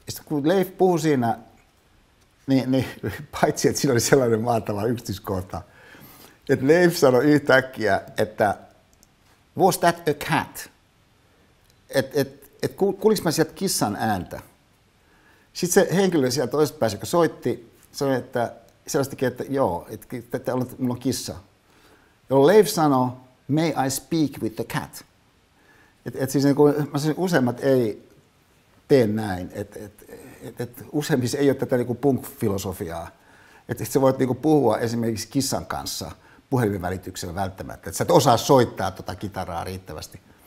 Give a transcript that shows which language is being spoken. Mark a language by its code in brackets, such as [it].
[fi] Sitten kun Leif puhui siinä, niin paitsi että siinä oli sellainen mahtava yksityiskohta, että Leif sanoi yhtäkkiä, että [en] was that a cat? [fi] Et kuulinko mä sieltä kissan ääntä? Sitten se henkilö sieltä toisesta päästä, joka soitti, sanoi, että sellaistakin, että joo, että mulla on kissa. Jolloin Leif sanoi, [en] may I speak with the cat? [fi] Et siis niin kuin mä sanoin, useimmat ei tee näin, että useimmissa ei ole tätä niin kuin punk-filosofiaa, että sä voit niin kuin puhua esimerkiksi kissan kanssa puhelimen välityksellä välttämättä, että sä et osaa soittaa tuota kitaraa riittävästi.